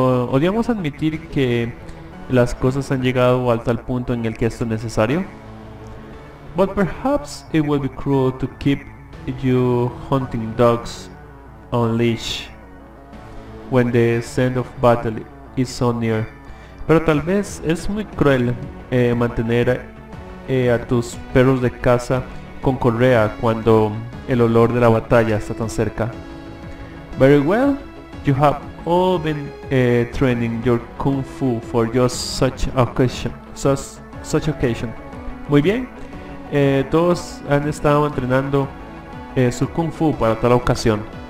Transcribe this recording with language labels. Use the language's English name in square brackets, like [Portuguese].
[Spanish] Odiamos admitir que las cosas han llegado al tal punto en el que esto es necesario. [English] But perhaps it would be cruel to keep you hunting dogs on leash when the end of battle is so near. [Spanish] Pero tal vez es muy cruel mantener a tus perros de caza con correa cuando el olor de la batalla está tan cerca. [English] Very well, you have all been training your kung fu for just such occasion. [Spanish] Muy bien, todos han estado entrenando su kung fu para tal ocasión.